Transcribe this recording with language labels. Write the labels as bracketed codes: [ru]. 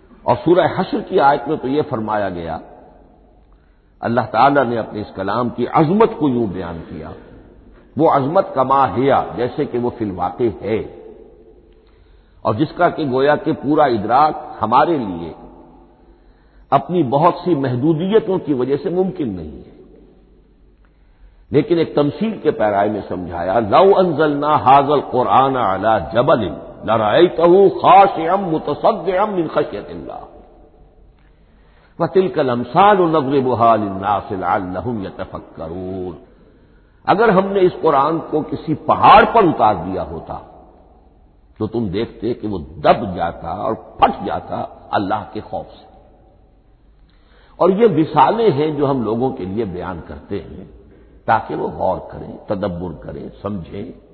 [ur] اور سورہ حشر کی آیت میں تو یہ فرمایا گیا، اللہ تعالیٰ نے اپنے اس کلام کی عظمت کو یوں بیان کیا، وہ عظمت کما ہیا جیسے کہ وہ فی الواقع ہے، اور جس کا کہ گویا کہ پورا ادراک ہمارے لیے اپنی بہت سی محدودیتوں کی وجہ سے ممکن نہیں ہے. لیکن ایک تمثیل کے پیرائے میں سمجھایا، [ar] لو انزلنا هذا القرآن على جبل لرأيته خاشعا متصدعا من خشية الله وتلك الأمثال نضربها للناس لعلهم يتفكرون. [ur] اگر ہم نے اس قرآن کو کسی پہاڑ پر اتار دیا ہوتا تو تم دیکھتے کہ وہ دب جاتا اور پھٹ جاتا اللہ کے خوف سے. اور یہ مثالیں ہیں جو ہم لوگوں کے لیے بیان کرتے ہیں تاکہ وہ غور کریں، تدبر کریں، سمجھیں.